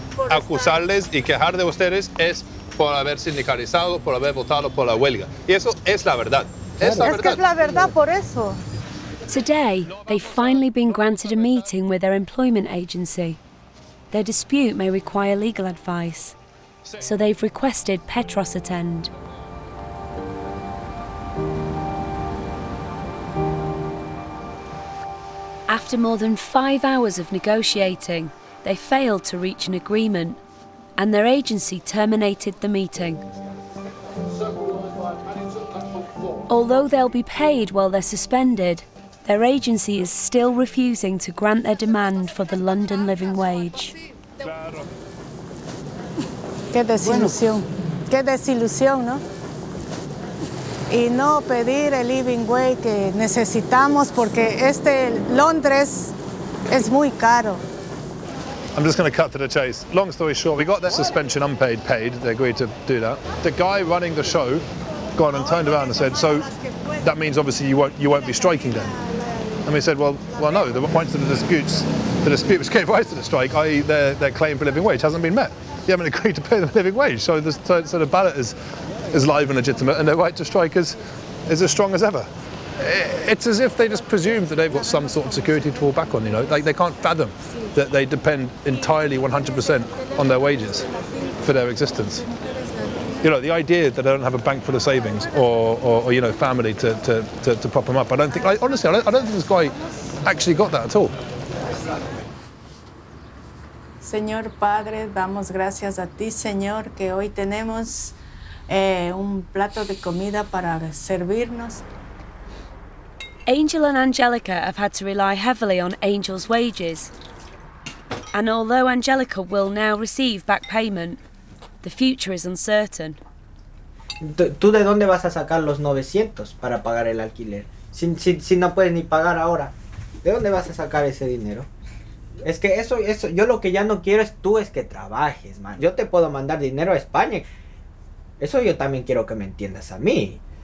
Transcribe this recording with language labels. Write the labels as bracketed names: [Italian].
[Spanish] Acusarles y quejar de ustedes es por haber sindicalizado, por haber votado por la huelga. Y eso es la verdad. Es que es la verdad por eso. [English] Today, they've finally been granted a meeting with their employment agency. Their dispute may require legal advice, so they've requested Petros attend. After more than 5 hours of negotiating, they failed to reach an agreement, and their agency terminated the meeting. Although they'll be paid while they're suspended, their agency is still refusing to grant their demand for the London living wage. [Spanish] Qué desilusión. Qué desilusión, ¿no? Y no pedir el living wage que necesitamos porque este Londres es muy caro. [English] I'm just going to cut to the chase. Long story short, we got the suspension unpaid, paid. They agreed to do that. The guy running the show gone and turned around and said, so that means obviously you won't be striking then. And we said, well no, the points of the dispute which gave rise to the strike, i.e. their claim for living wage, hasn't been met. You haven't agreed to pay them a living wage. So the ballot is live and legitimate, and their right to strike is as strong as ever. It's as if they just presume that they've got some sort of security to fall back on, you know? Like, they can't fathom that they depend entirely 100% on their wages for their existence. You know, the idea that I don't have a bank full of savings or you know, family to prop them up, I don't think, like, honestly, I don't think this guy actually got that at all. [Spanish] Señor Padre, damos gracias a ti, Señor, que hoy tenemos un plato de comida para servirnos. [English] Angel and Angelica have had to rely heavily on Angel's wages. And although Angelica will now receive back payment, the future is uncertain. [Spanish] ¿Tú de dónde vas a sacar los 900 para pagar el alquiler? Si no puedes ni pagar ahora, ¿de dónde vas a sacar ese dinero? Es que eso, yo lo que ya no quiero es que trabajes, man. Yo te puedo mandar dinero a España. Eso yo también quiero que me entiendas a mí.